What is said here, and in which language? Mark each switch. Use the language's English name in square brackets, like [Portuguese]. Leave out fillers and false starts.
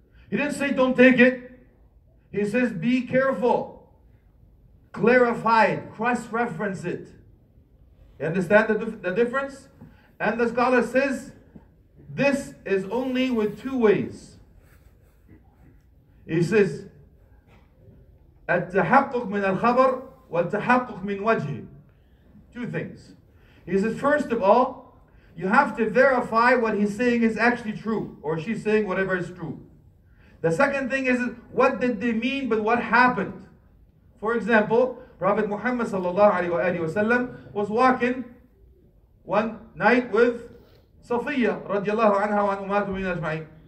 [English] He didn't say don't take it. He says, be careful, clarify it, cross-reference it. You understand the difference? And the scholar says, this is only with two ways. He says, [Arabic] التحقق من الخبر والتحقق من وجهه. [English] Two things. He says, first of all, you have to verify what he's saying is actually true, or she's saying whatever is true. The second thing is, what did they mean, but what happened? For example, Prophet Muhammad sallallahu alaihi wasallam was walking one night with Safiya radiallahu anha wa ummatu min ajma'in.